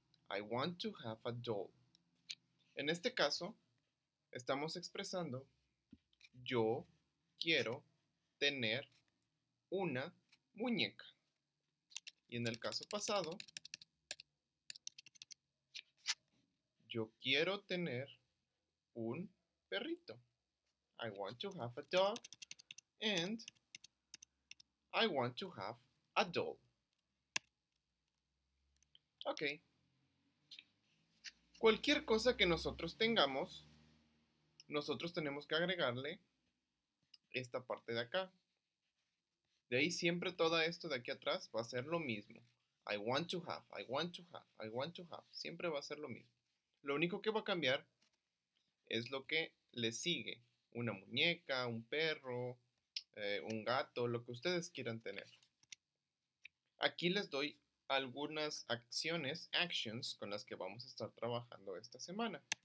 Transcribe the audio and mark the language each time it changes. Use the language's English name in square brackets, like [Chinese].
[English] I want to have a doll. [Spanish] En este caso, estamos expresando yo quiero tener una muñeca. Y en el caso pasado, yo quiero tener un perrito. [English] I want to have a dog and I want to have a doll. Ok. [Spanish] Cualquier cosa que nosotros tengamos, nosotros tenemos que agregarle esta parte de acá. De ahí siempre todo esto de aquí atrás va a ser lo mismo. [English] I want to have, I want to have, I want to have. [Spanish] Siempre va a ser lo mismo. Lo único que va a cambiar es lo que le sigue. Una muñeca, un perro, un gato, lo que ustedes quieran tener. Aquí les doy algunas acciones, actions, con las que vamos a estar trabajando esta semana.